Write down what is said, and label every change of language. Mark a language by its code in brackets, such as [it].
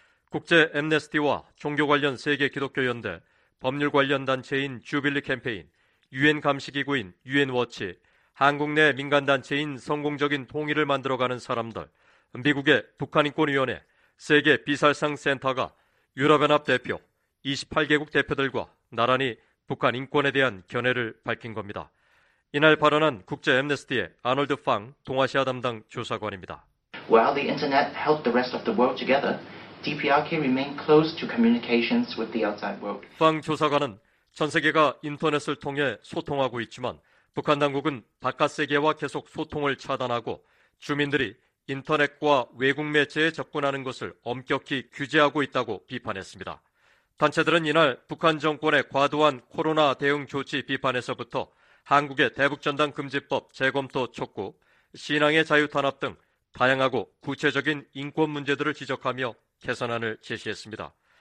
[ko] 국제 앰네스티와 종교 관련 세계 기독교 연대, 법률 관련 단체인 주빌리 캠페인, 유엔 감시 기구인 유엔 워치, 한국 내 민간 단체인 성공적인 통일을 만들어가는 사람들, 미국의 북한 인권위원회, 세계 비살상 센터가 유럽연합 대표 28개국 대표들과 나란히 북한 인권에 대한 견해를 밝힌 겁니다. 이날 발언한 국제 앰네스티의 아놀드 팡 동아시아 담당 조사관입니다. [en] While the internet held the rest of the world together, DPRK remained close to communications with the outside world. [ko] 팡 조사관은 전 세계가 인터넷을 통해 소통하고 있지만 북한 당국은 바깥 세계와 계속 소통을 차단하고 주민들이 인터넷과 외국 매체에 접근하는 것을 엄격히 규제하고 있다고 비판했습니다. 단체들은 이날 북한 정권의 과도한 코로나 대응 조치 비판에서부터 한국의 대북전단 금지법 재검토 촉구, 신앙의 자유 탄압 등 다양하고 구체적인 인권 문제들을 지적하며 개선안을 제시했습니다.